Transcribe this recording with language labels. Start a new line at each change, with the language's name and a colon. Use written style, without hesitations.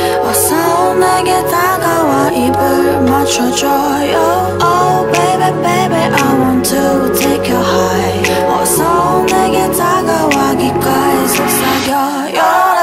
Korean: 어서 내게 다가와 입을 맞춰줘요.
English: Oh baby baby I want to take you high.
Korean: 어서 내게 다가와 귀까지 속삭여요.